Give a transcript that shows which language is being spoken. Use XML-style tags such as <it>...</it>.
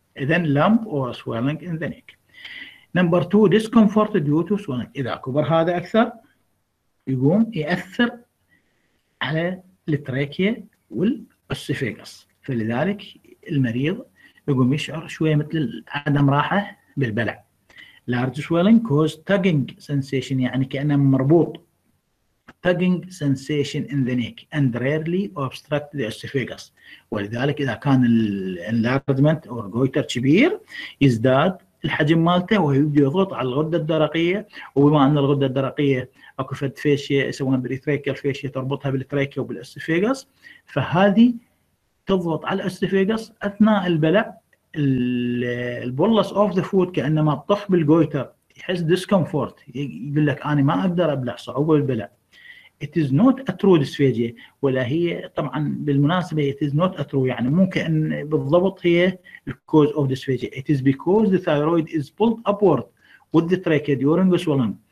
<ar>اذا لمب اور سوالونج ان ذا نيك. نمبر 2 ديسكومفورت ديو تو سوالونج، اذا كبر هذا اكثر يقوم ياثر على التراكيا والاسفيجس، فلذلك المريض يقوم يشعر شويه مثل عدم راحه بالبلع.</ar> <en>large swallowing cause tugging sensation,</en> <ar>يعني كانه مربوط</ar> <en>tugging sensation in the neck and rarely obstruct the esophagus.</en> <ar>ولذلك إذا كان enlargement أو goiter كبير يزداد الحجم مالته ويبدأ يضغط على الغدة الدرقية، وبما أن الغدة الدرقية أكو فد فيشيا يسمونها بالتراكيال فيشيا تربطها بالتراكيا وبالاسفيجس، فهذه تضغط على الاسفيجس أثناء البلع البولس</ar> <en>of the food</en> <ar>كأنما تطح بالجويتر يحس discomfort، يقول لك أنا ما أقدر أبلع، صعوبة بالبلع.</ar> <en>It is not a true dysphagia،</en> <ar>ولا هي طبعا بالمناسبة</ar> <en>it is not a true،</en> <ar>يعني مو كأن بالضبط هي</ar> <en>cause of dysphagia. It is because the thyroid is pulled upward with the trachea during the swallowing.</en>